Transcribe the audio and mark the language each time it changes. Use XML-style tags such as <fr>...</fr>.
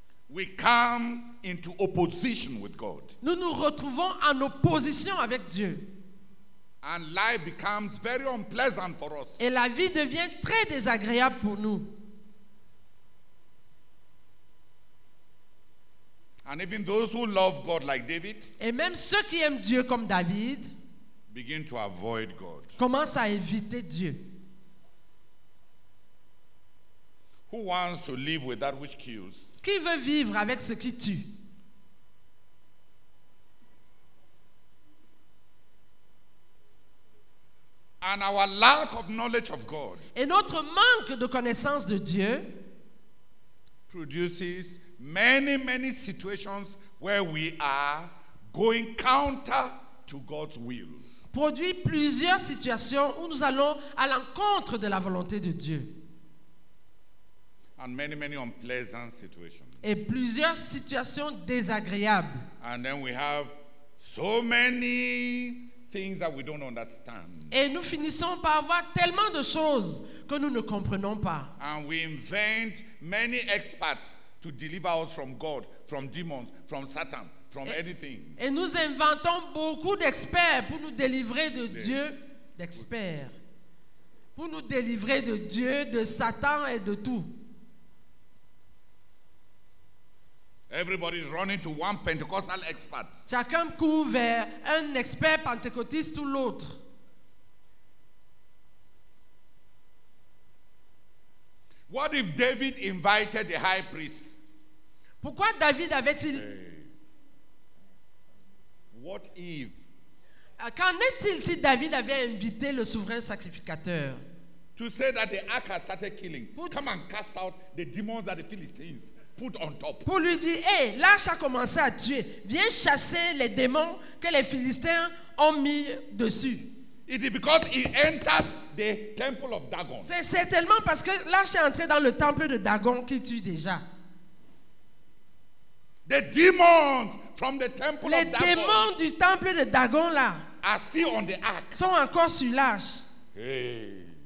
<en>we come into opposition with God.</en> <fr>Nous nous retrouvons en opposition avec Dieu.</fr> <en>And life becomes very unpleasant for us.</en> <fr>Et la vie devient très désagréable pour nous.</fr> <en>And even those who love God like David,</en> <fr>et même ceux qui aiment Dieu comme David</fr> <en>begin to avoid God.</en> <fr>Commencent à éviter Dieu.</fr> <en>Who wants to live with that which kills?</en> <fr>Qui veut vivre avec ce qui tue?</fr> <en>And our lack of knowledge of God.</en> <fr>Et notre manque de connaissance de Dieu</fr> <en>produces many, many situations where we are going counter to God's will.</en> <fr>Produit plusieurs situations où nous allons à l'encontre de la volonté de Dieu.</fr> <en>And many, many unpleasant situations.</en> <fr>Et plusieurs situations désagréables.</fr> <en>And then we have so many things that we don't understand.</en> <fr>Et nous finissons par avoir tellement de choses que nous ne comprenons pas.</fr> <en>And we invent many experts to deliver us from God, from demons, from Satan, from anything.</en> <fr>Et nous inventons beaucoup d'experts pour nous délivrer de Dieu, d'experts. Pour nous délivrer de Dieu, de Satan et de tout.</fr> <en>Everybody is running to one Pentecostal expert.</en> <fr>Chacun court vers un expert pentecôtiste ou l'autre.</fr> <en>What if David invited the high priest?</en> <fr>Pourquoi David avait-il?</fr> <en>What if?</en> <fr>Qu'en est-il si David avait invité le souverain sacrificateur?</fr> <en>To say that the ark has started killing. Come and cast out the demons that the Philistines put on top.</en> <fr>Pour lui dire, hey, l'arche a commencé à tuer. Viens chasser les démons que les Philistins ont mis dessus.</fr> <en>It is because he entered the temple of Dagon.</en> <fr>C'est tellement parce que l'arche est entré dans le temple de Dagon qu'il tue déjà.</fr> <en>The demons from the temple</en> <fr>les</fr> <en>of Dagon.</en> <fr>Les démons du temple de Dagon là</fr> <en>are still on the ark.</en> <fr>Sont encore sur l'arche. Hey.</fr>